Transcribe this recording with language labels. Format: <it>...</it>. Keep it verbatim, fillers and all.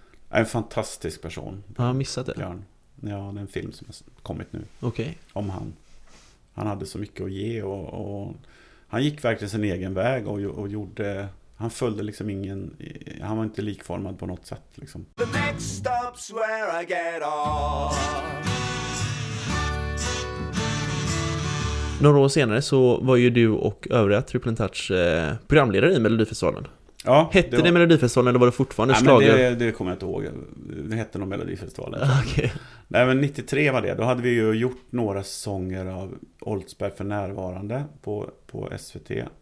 <sv>En fantastisk person. Jag har missat det. Björn. Ja, det är en film som har kommit nu. Okej. Okay. Om han. Han hade så mycket att ge och, och han gick verkligen sin egen väg och, och gjorde... Han följde liksom ingen... Han var inte likformad på något sätt liksom.</sv> <en>The next stop's where I get off.</en> <sv>Några år senare så var ju du och övriga Triple Touch programledare i Melodifestivalen. Ja, hette det, var... det Melodifestivalen eller var det fortfarande slaget? Det, det kommer jag inte ihåg. Det hette nog Melodifestivalen. Okay. Nej, men nittiotre var det. Då hade vi ju gjort några sånger av Oldsberg för närvarande på, på S V T.</sv>